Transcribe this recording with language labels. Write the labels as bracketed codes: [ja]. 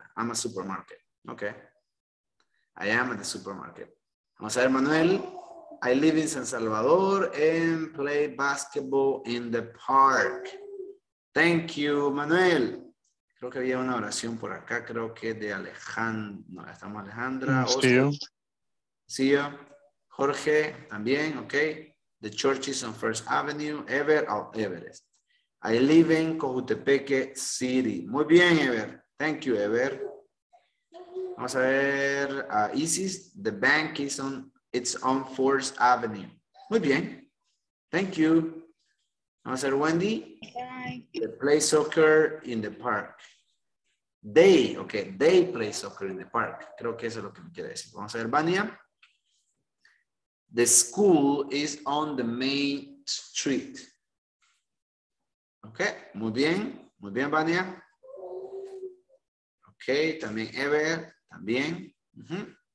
[en] I'm a supermarket. Ok. I am at the supermarket. [es] Vamos a ver, [en] Manuel. I live in San Salvador and play basketball in the park. Thank you, Manuel. [es] Creo que había una oración por acá, creo que de Alejandra. No, estamos Alejandra. [en] See you. See you. Jorge, también, ok. The church is on First Avenue, Everest. I live in Cojutepeque City. [es] Muy bien, [en] Ever. Thank you, Ever. [es] Vamos a ver, [en] Isis, the bank is on, it's on 4th Avenue. [es] Muy bien, [en] thank you. [es] Vamos a ver, Wendy. [en] Bye. They play soccer in the park. They, okay, they play soccer in the park. [es] Creo que eso es lo que me quiere decir. Vamos a ver, [en] Vania. The school is on the main street. [es] Okay, muy bien, Vania. Okay, también Ever. También. Uh-huh.